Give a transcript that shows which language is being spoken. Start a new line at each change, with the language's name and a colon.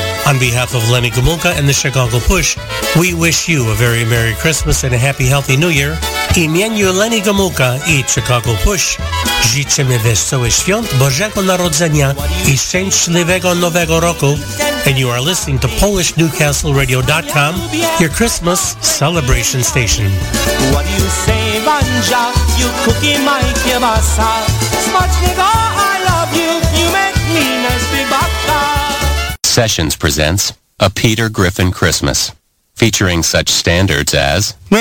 English: On behalf of Lenny Gamulka and the Chicago Push, we wish you a very Merry Christmas and a Happy Healthy New Year.
Polish: Imieniu Lenny Gamulka I Chicago Push, życzymy wesołych świąt Bożego Narodzenia I szczęśliwego Nowego Roku.
English: And you are listening to PolishNewcastleRadio.com, your Christmas celebration station. What do you say, Wanja? You cookie my kiełbasa. Smacznego, I love you. You make me nice, babka. Sessions presents A Peter Griffin Christmas, featuring such standards as